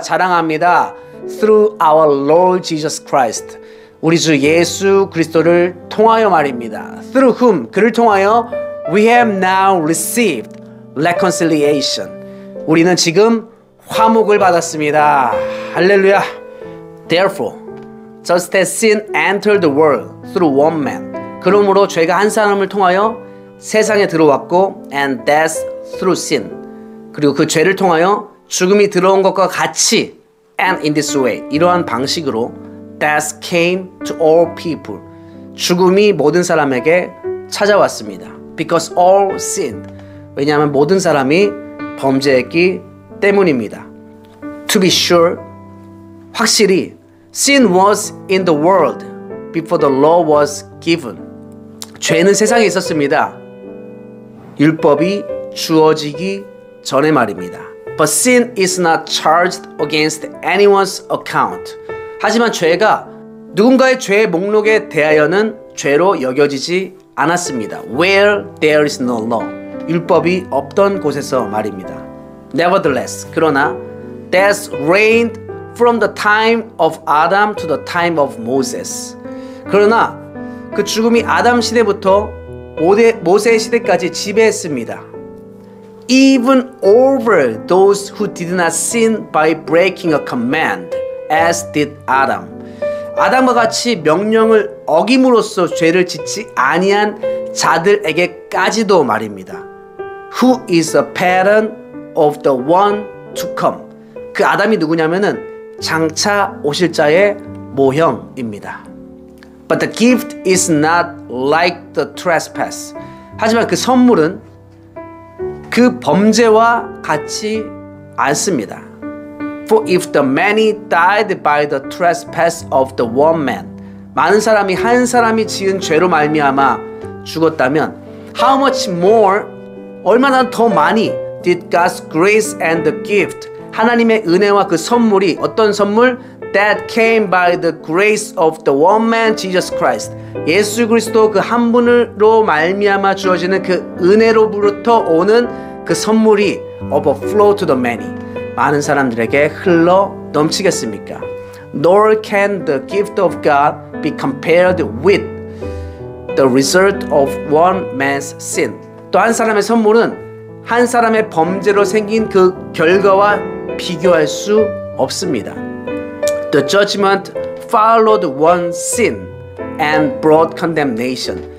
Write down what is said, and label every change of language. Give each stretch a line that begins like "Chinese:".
Korean: 자랑합니다.
English: Through our Lord Jesus Christ.
Korean: 우리 주 예수 그리스도를 통하여 말입니다.
English: Through whom,
Korean: 그를 통하여
English: we have now received reconciliation.
Korean: 우리는 지금 화목을 받았습니다. 할렐루야.
English: Therefore, just as sin entered the world through one man.
Korean: 그러므로 죄가 한 사람을 통하여 세상에 들어왔고
English: and death through sin.
Korean: 그리고 그 죄를 통하여 죽음이 들어온 것과 같이
English: and in this way.
Korean: 이러한 방식으로
English: death came to all people.
Korean: 죽음이 모든 사람에게 찾아왔습니다.
English: Because all sinned.
Korean: 왜냐하면 모든 사람이 범죄했기 때문입니다.
English: To be sure,
Korean: 확실히
English: sin was in the world before the law was given.
Korean: 죄는 세상에 있었습니다. 율법이 주어지기 전에 말입니다.
English: But sin is not charged against anyone's account.
Korean: 하지만 죄가 누군가의 죄의 목록에 대하여는 죄로 여겨지지 않았습니다.
English: Where there is no law.
Korean: 율법이 없던 곳에서 말입니다.
English: Nevertheless,
Korean: 그러나
English: death reigned from the time of Adam to the time of Moses.
Korean: 그러나 그 죽음이 아담 시대부터 모세 시대까지 지배했습니다.
English: Even over those who did not sin by breaking a command, as did Adam.
Korean: 아담과 같이 명령을 어김으로써 죄를 짓지 아니한 자들에게까지도 말입니다.
English: Who is a pattern of the one to come?
Korean: 그 아담이 누구냐면은 장차 오실 자의 모형입니다.
English: But the gift is not like the trespass.
Korean: 하지만 그 선물은 그 범죄와 같이 않습니다.
English: For if the many died by the trespass of the one man,
Korean: 많은 사람이 한 사람이 지은 죄로 말미암아 죽었다면,
English: how much more,
Korean: 얼마나 더 많이
English: did God's grace and the gift,
Korean: 하나님의 은혜와 그 선물이, 어떤 선물?
English: That came by the grace of the one man, Jesus Christ.
Korean: 예수 그리스도 그 한 분으로 말미암아 주어지는 그 은혜로부터 오는 그 선물이
English: overflow to the many,
Korean: 많은 사람들에게 흘러 넘치겠습니까?
English: Nor can the gift of God be compared with the result of one man's sin.
Korean: 또 한 사람의 선물은 한 사람의 범죄로 생긴 그 결과와 비교할 수 없습니다.
English: The judgment followed one sin and brought condemnation.